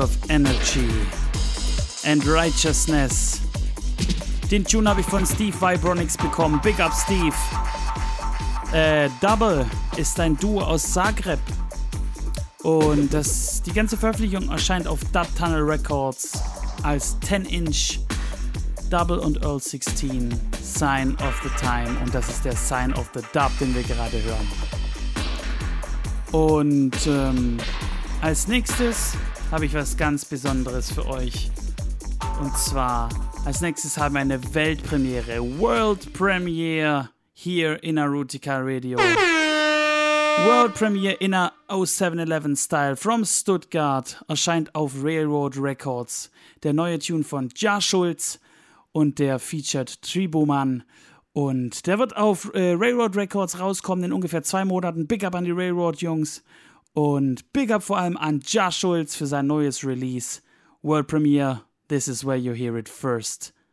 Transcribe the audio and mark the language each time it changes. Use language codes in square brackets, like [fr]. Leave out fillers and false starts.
[en] of energy and righteousness. [de] Den Tune habe ich von Steve Vibronics bekommen. [en] Big up, Steve. [de] Double ist ein Duo aus Zagreb. Und das, die ganze Veröffentlichung erscheint auf Dub Tunnel Records als 10-inch. Double und Earl 16, Sign of the Time. Und das ist der Sign of the Dub, den wir gerade hören. Und als nächstes habe ich was ganz Besonderes für euch. Und zwar, als nächstes haben wir eine Weltpremiere. [en] World Premiere [de] hier [en] in a Rootikal Radio. World Premiere in a 0711 Style from Stuttgart. [de] Erscheint auf Railroad Records. Der neue Tune von Ja Schulz. Und der featured Triboman. Und der wird auf Railroad Records rauskommen in ungefähr 2 Monaten. Big up an die Railroad Jungs. Und big up vor allem an Ja Schulz für sein neues Release. [en] World Premiere, this is where you hear it first.